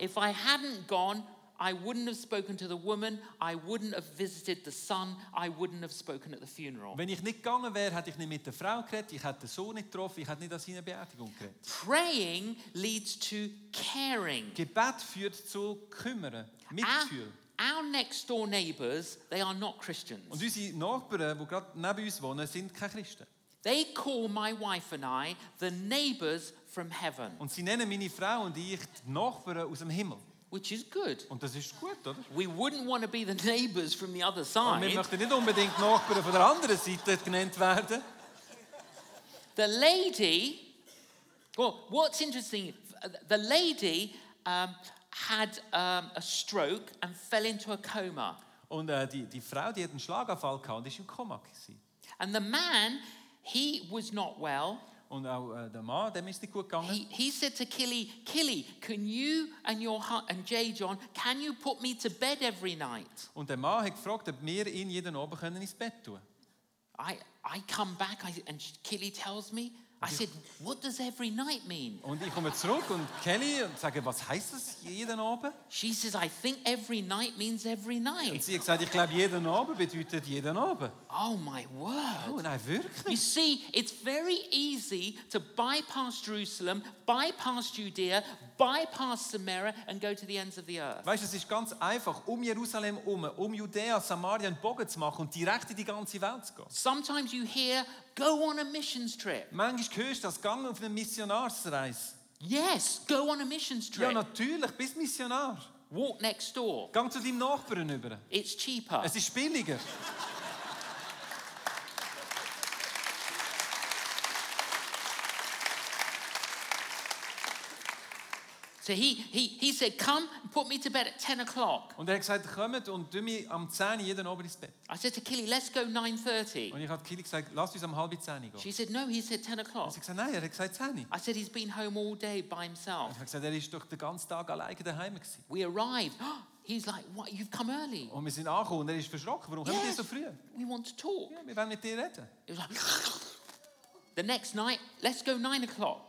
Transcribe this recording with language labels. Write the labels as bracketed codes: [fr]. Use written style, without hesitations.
[en] If I hadn't gone, I wouldn't have spoken to the woman, I wouldn't have visited the son, I wouldn't have spoken at the funeral. [de] Wenn ich nicht gegangen wäre, hätte ich nicht mit der Frau geredet, ich hätte den Sohn nicht getroffen, ich hätte nicht an seine Beerdigung geredet. [en] Praying leads to caring. [de] Gebet führt zu kümmern, Mitgefühl. [en] Our next door neighbors, they are not Christians. [de] Und unsere Nachbarn, die gerade neben uns wohnen, sind keine Christen. [en] They call my wife and I the neighbors from heaven. [de] Und sie nennen meine Frau und ich die Nachbarn aus dem Himmel. [en] Which is good. [de] Und das ist gut, oder? [en] We wouldn't want to be the neighbors from the other side. [de] Und wir möchten nicht unbedingt Nachbarn von der anderen Seite genannt werden. [en] The lady, well, what's interesting, the lady had a stroke and fell into a coma. [de] Und die Frau, die hat einen Schlaganfall gehabt und ist im Koma gewesen. [en] And the man, he was not well. [de] Und auch der Mann, dem ist nicht gut gegangen. [en] He said to Killy, can you and your and Jay John, can you put me to bed every night? [de] Und der Mann hat gefragt, ob wir ihn jeden Abend können ins Bett tun. [en] I come back and Killy tells me, I said, what does every night mean? [de] Und ich komme zurück und Kelly und sage, was heißt das jeden Abend? [en] She says, I think every night means every night. [de] Und sie hat gesagt, ich glaube jeden Abend bedeutet jeden Abend. [en] Oh my word! [de] Oh nein, wirklich? [en] You see, it's very easy to bypass Jerusalem, bypass Judea, bypass Samaria and go to the ends of the earth. [de] Weißt, es ist ganz einfach, Jerusalem herum, Judea, Samaria einen Bogen zu machen und direkt in die ganze Welt zu gehen. [en] Sometimes you hear, go on a missions trip. [de] Manchmal hörst du das, geh auf eine Missionarsreise. [en] Yes, go on a missions trip. [de] Ja, natürlich, bist Missionar. [en] Walk next door. [de] Geh zu deinem Nachbarn über. [en] It's cheaper. [de] Es ist billiger. [en] So he said, come and put me to bed at 10 o'clock. [de] Und er hat gesagt, kommt und tu mich am 10 Uhr jeden Abend ins Bett. [en] I said to Killy, let's go 9:30. [de] Und ich habe Killy gesagt, lass uns um 9:30 gehen. [en] She said, no, he said 10 o'clock. [de] Und sie gesagt, nein, er hat gesagt 10 Uhr. [en] I said, he's been home all day by himself. [de] Und ich habe gesagt, er ist doch den ganzen Tag alleine daheim gewesen. [en] We arrived. He's like, what, you've come early? [de] Und wir sind angekommen und er ist verschrocken. Warum kommt ihr so früh? [en] We want to talk. [de] Ja, wir wollen mit dir reden. [en] It was like, the next night, let's go 9 o'clock.